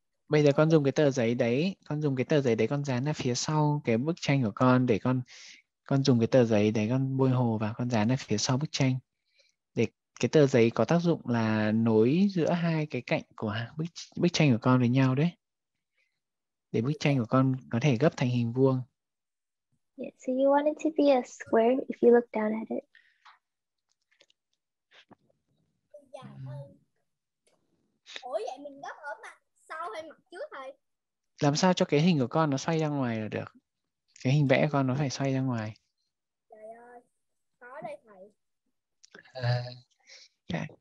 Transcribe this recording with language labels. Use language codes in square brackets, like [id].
[vi] Bây giờ con dùng cái tờ giấy đấy. Con dùng cái tờ giấy đấy con dán ở phía sau cái bức tranh của con. Để con dùng cái tờ giấy đấy con bôi hồ và con dán ở phía sau bức tranh. Để cái tờ giấy có tác dụng là nối giữa hai cái cạnh của bức tranh của con với nhau đấy. Để bức tranh của con có thể gấp thành hình vuông. [en] Yeah, so you want it to be a square if you look down at it. [vi] Ủa vậy mình gấp ở mặt sau hay mặt trước thôi? Làm sao cho cái hình của con nó xoay ra ngoài là được. Cái hình vẽ của con nó phải xoay ra ngoài. Trời ơi, khó đây thầy.